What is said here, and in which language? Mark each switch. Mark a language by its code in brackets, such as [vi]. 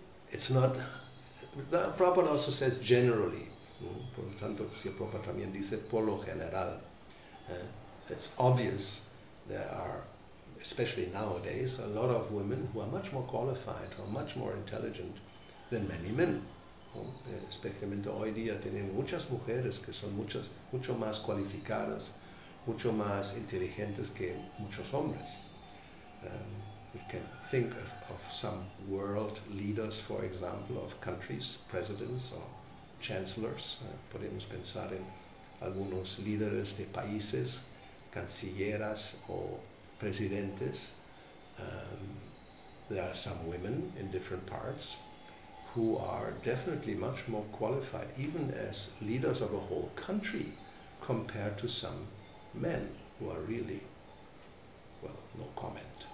[en] It's not, the Prabhupada also says generally, [es] por lo tanto, si el Prabhupada también dice por lo general, [en] it's obvious there are, especially nowadays, a lot of women who are much more qualified or much more intelligent than many men. [es] Especialmente hoy día tenemos muchas mujeres que son mucho más cualificadas, mucho más inteligentes que muchos hombres. [en] We can think of some world leaders, for example, of countries, presidents or chancellors. [es] Podemos pensar en algunos líderes de países, cancilleras o presidentes. [en] There are some women in different parts who are definitely much more qualified, even as leaders of a whole country, compared to some men who are really, well, no comment.